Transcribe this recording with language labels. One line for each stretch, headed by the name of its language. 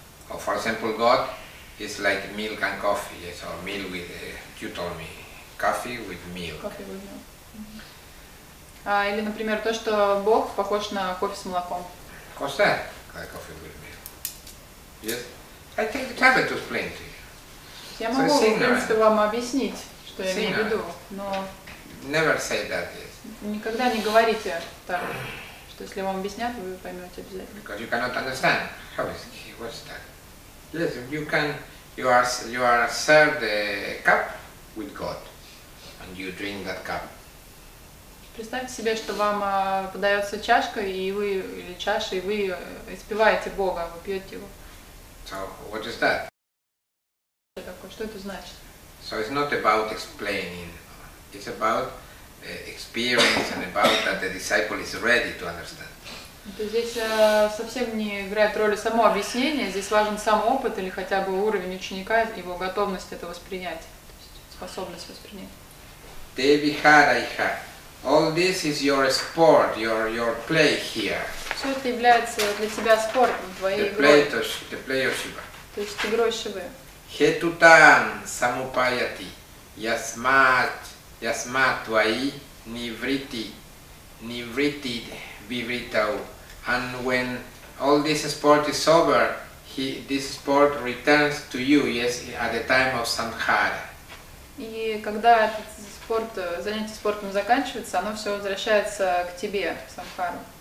English: Or for example, God is like milk and coffee, yes, or milk with, you told me, coffee with milk.
Russian: Или, например, то, что Бог похож на кофе с молоком.
English: Of course that, like coffee with milk. Yes? I take the trouble to explain to you.
Russian: Я могу, в принципе, вам объяснить, что я имею в виду, но...
English: Never say that, yes.
Russian: Никогда не говорите так, что если вам объяснят, вы поймете обязательно.
English: Because you cannot understand. How is he? What's that? Yes, you can You are served the cup with God, and you drink that cup.
Russian: Представьте себе, что вам подается чашка, и вы или чаша, и вы испиваете Бога, вы пьете его.
English: So what is that?
Russian: Что такое? Что это значит?
English: So it's not about explaining. It's about experience and about that the disciple is ready to understand.
Russian: То здесь совсем не играет роли само объяснение, здесь важен сам опыт или хотя бы уровень ученика, его готовность это воспринять, то есть способность воспринять.
English: Devihara, all this is your sport, your play here.
Russian: Все это является для тебя спортом, твоей игрой.
English: The play of Shiva.
Russian: То есть игрой Шивы.
Sanskrit: Хетутан самупаяти, ясмат твои ниврити вивритау.
English: And when all this sport is over, this sport returns to you, yes, at the time of Samhara.
Russian: И когда этот спорт, занятие спортом заканчивается, оно все возвращается к тебе, Самхару.